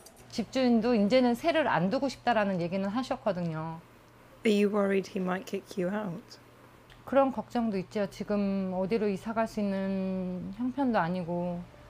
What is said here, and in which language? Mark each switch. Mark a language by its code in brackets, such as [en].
[ko] 집주인도 이제는 새를 안 두고 싶다라는 얘기는 하셨거든요. [en] Are you worried he might kick you out? [ko] 그런 걱정도 있죠. 지금 어디로 이사 갈 수 있는 형편도 아니고.